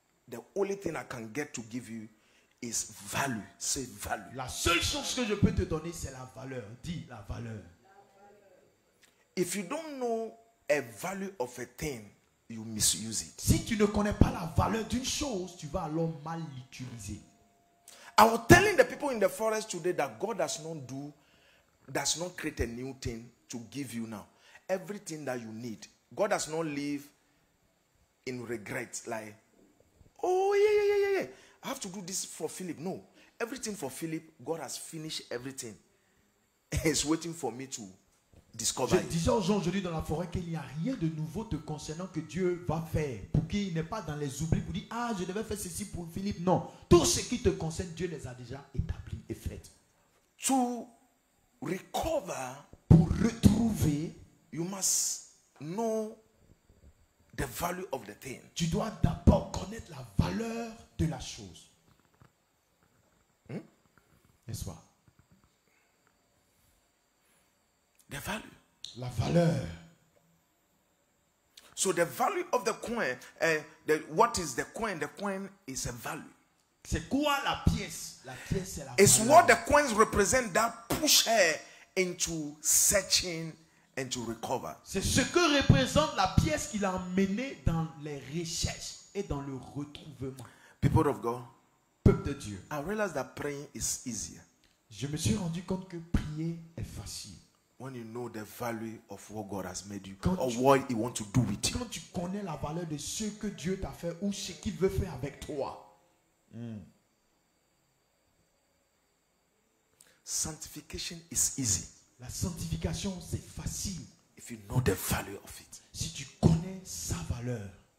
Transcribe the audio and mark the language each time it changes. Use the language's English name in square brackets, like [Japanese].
[English] The only thing I can get to give you is value. [French] C'est value. La seule chose que je peux te donner, c'est la valeur. Dis la valeur. [English] If you don't know a value of a thing, you misuse it. [French] Si tu ne connais pas la valeur d'une chose, tu vas alors mal l'utiliser. [English] I was telling the people in the forest today that God does not create a new thing to give you now. Everything that you need. God does not live in regret, like, oh, yeah. I have to do this for Philip. No. Everything for Philip, God has finished everything. He's waiting for me to discover. [French] Je disais aux gens aujourd'hui dans la forêt qu'il n'y a rien de nouveau te concernant que Dieu va faire. Pour qu'il n'est pas dans les oublis, pour dire, ah, je devais faire ceci pour Philip. Non. Tout ce qui te concerne, Dieu les a déjà établis et faits. [English] To recover, [French] pour retrouver, [English] You must know the value of the thing. [French] Tu dois d'abord connaître la valeur de la chose. N'est-ce pas? [English] The value. [French] La valeur. [English] So the value of the coin, what is the coin? The coin is a value. [French] C'est quoi la pièce? La pièce, c'est la [English] it's [French] valeur. [English] What the coins represent that push her into searching and to recover. [French] C'est ce que représente la pièce qui l'a emmenée dans les recherches et dans le retrouvement. [English] People of God. [French] Peuple de Dieu. [English] I realize that praying is easier. [French] Je me suis rendu compte que prier est facile. [English] When you know the value of what God has made you, [French] quand [English] or tu, what He wants to do with you. [French] Quand tu connais la valeur de ce que Dieu t'a fait ou ce qu'il veut faire avec toi. [English] Sanctification is easy. [French] La sanctification c'est facile. [English] If you know the value of it. [French] Si tu connais sa valeur.